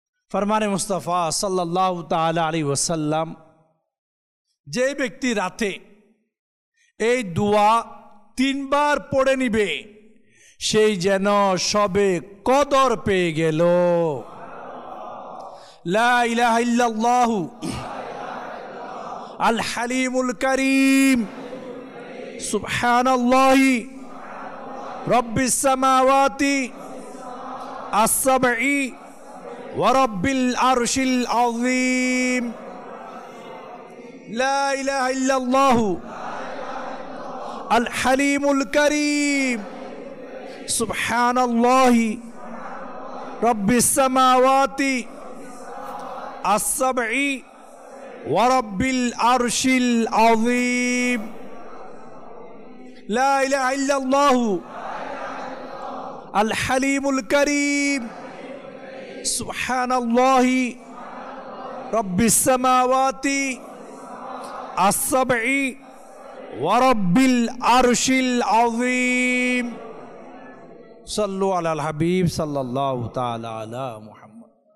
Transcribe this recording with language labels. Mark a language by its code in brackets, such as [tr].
[bn] ফরমানে মুস্তাফা সাল্লাল্লাহু তাআলা আলাইহি ওয়াসাল্লাম, যে ব্যক্তি রাতে এই দোয়া 3 বার পড়ে নিবে সেই যেন সবে কদর পেয়ে গেল। [ar] লা ইলাহা ইল্লাল্লাহ আল হালিমুল করিম সুবহানাল্লাহ রাব্বিস সামাওয়াতি আস-সাবঈ ورب العرش العظيم لا اله الا الله الحليم الكريم سبحان الله رب السماوات السبع ورب العرش العظيم لا اله الا الله আল হালিমুল করিম সুবহানাল্লাহি রব্বিস সামাওয়াতি আস-সাবঈ ওয়া রব্বিল আরশিল আযীম সাল্লু আলাল হাবিব সাল্লাল্লাহু তাআলা আলা মুহাম্মদ